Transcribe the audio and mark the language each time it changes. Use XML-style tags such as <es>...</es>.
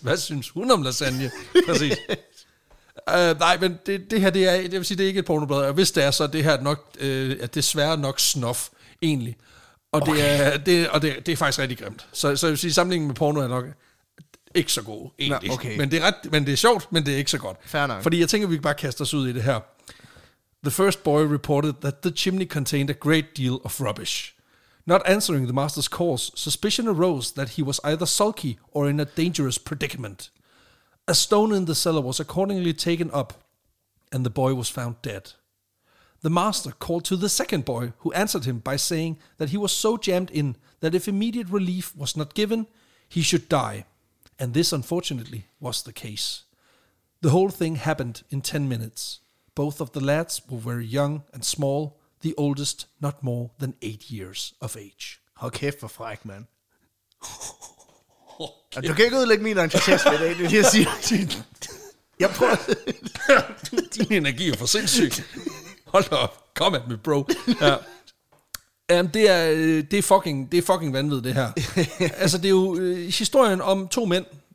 <da>Hvad synes hun om lasagne? Præcis. Nej, men det her, det er, jeg vil sige, det er ikke et pornoblad, og hvis det er, så er det her nok, ja, desværre nok snof, egentlig. Og, okay. det er faktisk rigtig grimt. Så jeg vil sige, sammenlignet med porno er nok ikke så god, egentlig. Nå, okay. Men det er sjovt, men det er ikke så godt. Fair nok. Fordi jeg tænker, vi kan bare kaste os ud i det her.</da> <en>The first boy reported that the chimney contained a great deal of rubbish. Not answering the master's calls, suspicion arose that he was either sulky or in a dangerous predicament. A stone in the cellar was accordingly taken up, and the boy was found dead. The master called to the second boy, who answered him by saying that he was so jammed in that if immediate relief was not given, he should die. And this, unfortunately, was the case. The whole thing happened in 10 minutes. Both of the lads were very young and small, the oldest not more than 8 years of age.</en> <da>Hold kæft for fræk, man. Okay. Du kan ikke udlægge min entusiasme i dag, det jeg siger. Jeg prøver. Din energi er for sindssyg. Hold op, kom af med bro. Ja. Det er fucking vanvittigt det her. Altså det er jo historien om to mænd.</da>